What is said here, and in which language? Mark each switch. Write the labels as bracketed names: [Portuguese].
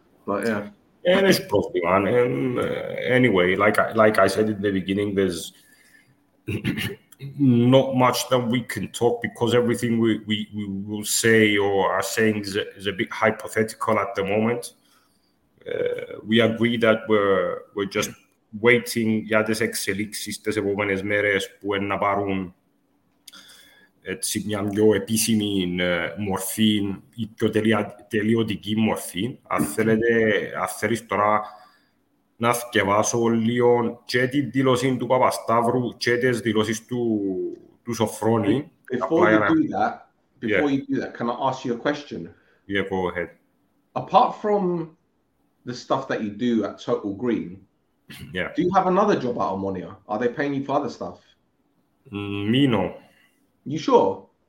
[English] But yeah, and it's positive, man. And anyway, like I said in the beginning, there's not much that we can talk, because everything we will say or are saying is a bit hypothetical at the moment. We agree that we're just waiting [Greek] για τις εξελίξεις τις επόμενες μέρες που να πάρουν έτσι μια πιο επίσημη μορφή ή πιο τελειωτική μορφή. Αν θέλεις τώρα να σκευάσω λίγο και τη δήλωση του Παπασταύρου και τις δηλώσεις του Σοφρόνη. [English] Before you do that, can I ask you a question? Yeah, go ahead. Apart from the stuff that you do at Total Green, yeah, do you have another job at Omonoia? Are they paying you for other stuff? Me, no. You sure?